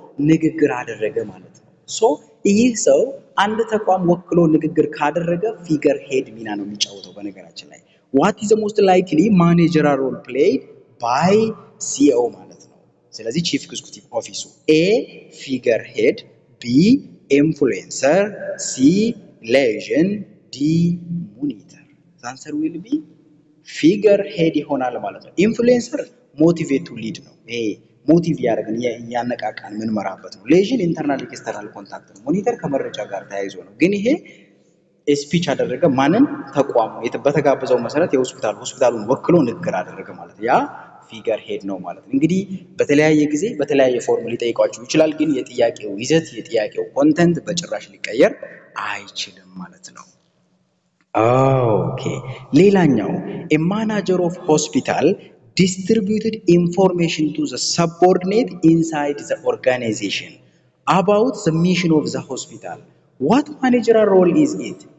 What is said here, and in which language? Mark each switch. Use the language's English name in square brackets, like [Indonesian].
[Amharic] ንግግር አደረገ ማለት ነው so ይህ ሰው አንድ ተቋም ወክሎ ንግግር ካደረገ figure head ሚና ነው የሚጫወተው በነገራችን ላይ [English] What is the most likely managerial role played by CEO [Amharic] ማለት ነው? [English] ስለዚህ chief executive officer A figurehead B influencer C legend D monitor. The answer will be figurehead [Amharic] ይሆናል ማለት ነው። [English] Influencer motivate to lead [Amharic] ነው። A motive ያደርጋል ያነቃቃል ምን ማራበት ነው። [English] Legend internal external contact [Amharic] ነው። Monitor ከመረጃ ጋር ተያይዞ ነው። ግን ይሄ ስፒች አደረገ ማንን ተቋም የተበተጋበዘው መሰረት የሆስፒታሉን ወክሎ ንግግር አደረገ ማለት ያ ፊገር ሄድ ነው ማለት እንግዲህ በተለያየ ጊዜ በተለያየ ፎርም ሊጠይቃችሁ ይችላል ግን የጥያቄው ይዘት የጥያቄው ኮንተንት በጭራሽ ሊቀየር አይችልም ማለት ነው [English] ኦኬ ሌላኛው a manager of hospital distributed information to the subordinate inside the organization about the mission of the hospital. What managerial role is it?